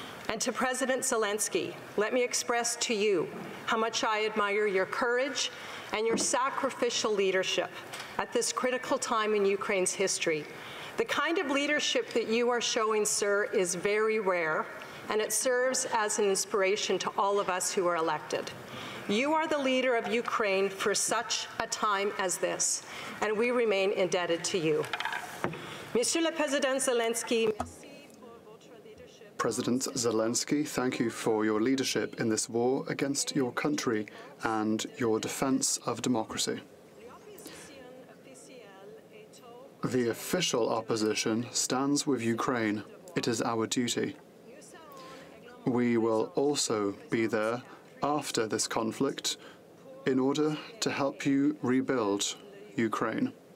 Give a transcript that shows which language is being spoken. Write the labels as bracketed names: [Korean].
[English] And to President Zelensky, let me express to you how much I admire your courage and your sacrificial leadership at this critical time in Ukraine's history. The kind of leadership that you are showing, sir, is very rare. And it serves as an inspiration to all of us who are elected. You are the leader of Ukraine for such a time as this, and we remain indebted to you. [French] Monsieur le Président Zelensky, merci pour votre leadership. [English] President Zelensky, thank you for your leadership in this war against your country and your defense of democracy. The official opposition stands with Ukraine. It is our duty. We will also be there after this conflict in order to help you rebuild Ukraine.